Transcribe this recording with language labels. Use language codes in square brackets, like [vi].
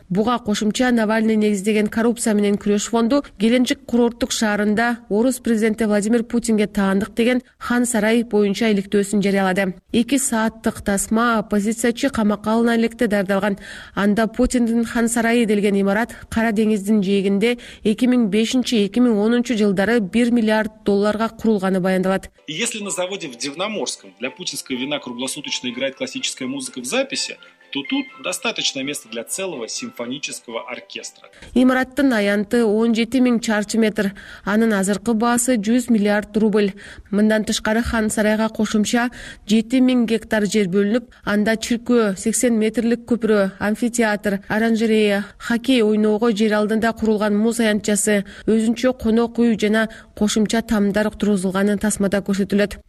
[ky] Буга кошумча Навальный негиздеген коррупция менен күрөш фонду Геленджик курорттук шаарында орус президенти Владимир Путинге таандык деген хан сарай боюнча иликтөөсүн жарыялады. 2 сааттык тасма оппозициячы камакка алына электе дарыдалган. Анда Путиндин хан сарайы делген имарат Кара деңиздин жээгинде 2005-2010 жылдары 1 миллиард долларга курулганы баяндалат. [ru] Если на заводе в Дивноморском для путинского вина круглосуточно играет классическая музыка в записи, то тут достаточно места для целого симфонического оркестра. [ky] Имараттын аянты 17 000 чарчы метр. Анын азыркы баасы 100 миллиард рубль. Мындан тышкары хан сарайга кошумча 7 000 гектар жер бөлүнүп, анда чиркөө, 80 метрлик көпүрө, амфитеатр, оранжерея, хоккей ойноого жер алдында курулган муз аянтчасы, өзүнчө конок үй жана кошумча тамдар турузулганын тасмада көрсөтүлөт.